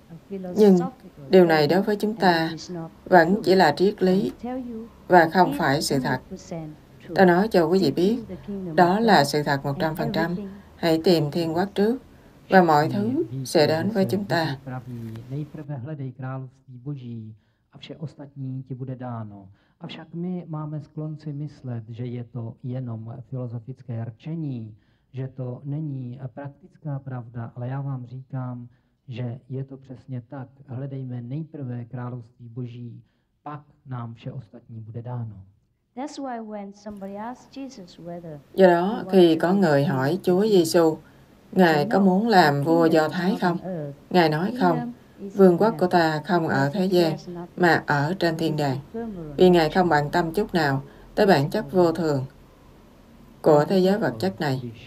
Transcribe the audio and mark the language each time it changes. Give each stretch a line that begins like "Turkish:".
Vietnamese: Nhưng điều này đối với chúng ta vẫn chỉ là triết lý và không phải sự thật. Ta nói cho quý vị biết, đó là sự thật 100%. Hãy tìm Thiên Quốc trước, và mọi thứ sẽ đến với chúng ta.
Czech: Nejprve hledej království Boží a vše ostatní ti bude dáno. Avšak my máme sklon si myslet, že je to jenom filozofické rčení, že to není praktická pravda, ale já vám říkám, že je to přesně tak. Hledejme nejprve království Boží, pak nám vše ostatní bude dáno.
English: That's why when somebody asks Jesus whether.
Vietnamese: Do đó khi có người hỏi Chúa Giêsu, Ngài có muốn làm vua Do Thái không? Ngài nói không. Vương quốc của ta không ở thế gian mà ở trên thiên đàng. Vì Ngài không bận tâm chút nào tới bản chất vô thường của thế giới vật chất này.